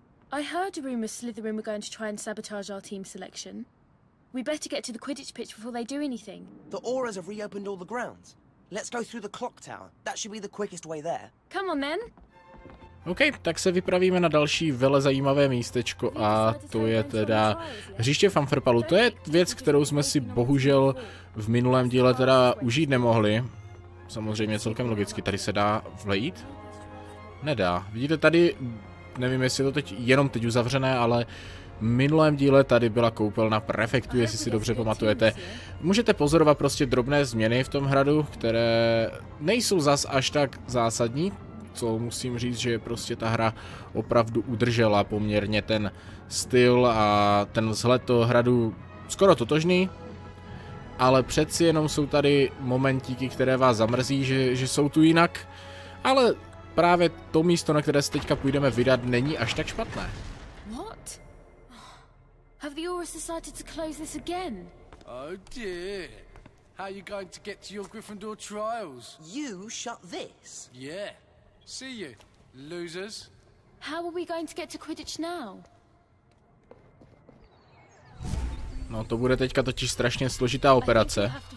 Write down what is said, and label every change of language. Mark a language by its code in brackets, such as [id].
[en] I heard a rumor Slytherin were going to try and sabotage our team selection. We better get to the Quidditch pitch before they do anything. The auras have reopened all the grounds. Let's go through the clock tower. That should be the quickest way there. Come on then. [cs] OK, tak se vypravíme na další vele zajímavé místečko a to je teda hřiště Fanfrpalu. To je věc, kterou jsme si bohužel v minulém díle teda užít nemohli. Samozřejmě celkem logicky, tady se dá vlejít? Nedá. Vidíte tady, nevím jestli je to teď jenom teď uzavřené, ale v minulém díle tady byla koupelna prefektu, jestli si dobře pamatujete. Můžete pozorovat prostě drobné změny v tom hradu, které nejsou zas až tak zásadní. Co musím říct, že prostě ta hra opravdu udržela poměrně ten styl a ten vzhled toho hradu skoro totožný. ale přeci jenom jsou tady momentíky, které vás zamrzí, že jsou tu jinak. Ale právě to místo, na které se teďka půjdeme vydat, není až tak špatné. [en] What? Have the Aurors decided to close this again? Oh dear. How are you going to get to your Gryffindor trials? You shut this. Yeah. See you, losers. How are we going to get to Quidditch now? [cs] No, to bude teďka totiž strašně složitá operace.